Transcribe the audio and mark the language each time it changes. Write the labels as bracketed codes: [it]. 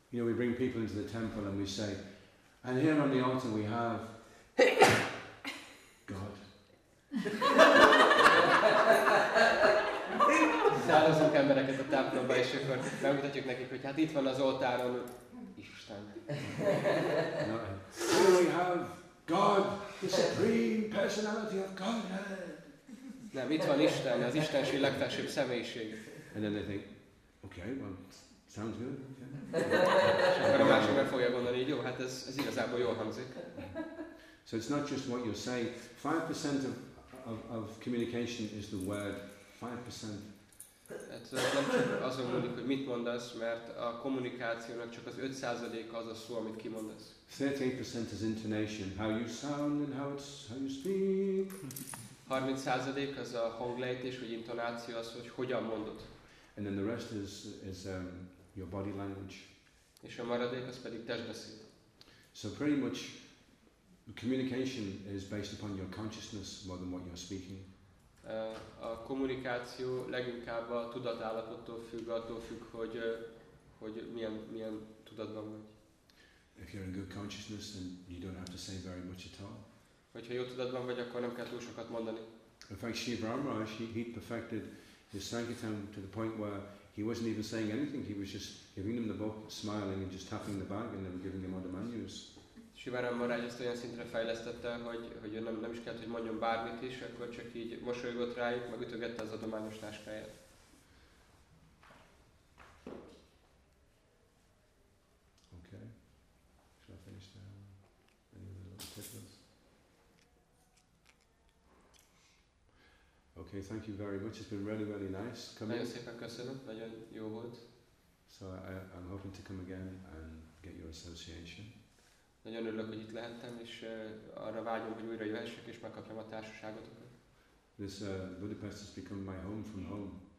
[en] You know, we bring people into the temple and we say, and here on the altar we have God. [hu] Szállozunk embereket a táplomba, és akkor megmutatjuk nekik, hogy hát itt van az oltáron Isten. [en] Here we have God, the supreme personality of Godhead. [hu] Nem, itt van Isten, az Istenség legfelsőbb személyiség. [en] And then they think, okay, well, sounds good. [hu] És akkor a másik meg fogja gondolni, hogy jó, hát ez igazából jól hangzik. [en] So it's not just what you say. 5% of communication is the word. 5%. [hu] Ez nem csak azon múlik, hogy mit mondasz, mert a kommunikációnak csak az 5%-a az a szó, amit kimondasz. [en] 38% is intonation. How you sound and how you speak. [hu] 30% az a hanglejtés, vagy intonáció az, hogy hogyan mondod. [en] And then the rest is your body language. [hu] És a maradék az pedig testbeszéd. [en] So pretty much communication is based upon your consciousness more than what you're speaking. [hu] A kommunikáció leginkább a tudatállapottól függ, attól függ, hogy milyen tudatban vagy. [en] If you're in good consciousness, then you don't have to say very much at all. [hu] Hogyha jó tudatban vagy, akkor nem kell túl sokat mondani. [en] In fact, Shri Brahma, he perfected his sankirtan to the point where he wasn't even saying anything. He was just giving them the book, smiling, and just tapping the bag, and then giving them all the manus. [hu] Sivaram Maharaj ezt olyan szintre fejlesztette, hogy nem is kellett, hogy mondjon bármit is, akkor csak így mosolygott rájuk, meg ütögette az adományos táskáját. [en] Okay. Shall I finish there? Any other little tidbits? Okay, thank you very much. It's been really, really nice coming. [hu] Nagyon szépen köszönöm. Nagyon jó volt. [en] So I'm hoping to come again and get your association. [hu] Nagyon örülök, hogy itt lehettem, és arra vágyom, hogy újra jöhessek, és megkapjam a társaságotokat. [en] This Budapest has become my home from home.